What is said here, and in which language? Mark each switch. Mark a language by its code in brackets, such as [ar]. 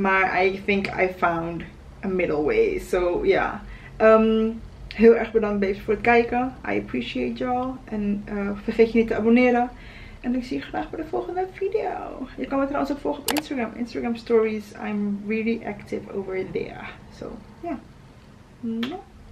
[en] Maar I think I found a middle way. So yeah. [nl] Heel erg bedankt babes voor het kijken. [en] I appreciate y'all. [nl] En vergeet je niet te abonneren. En ik zie je graag bij de volgende video. Je kan me trouwens ook volgen op Instagram. [en] Instagram stories. I'm really active over there. So, yeah.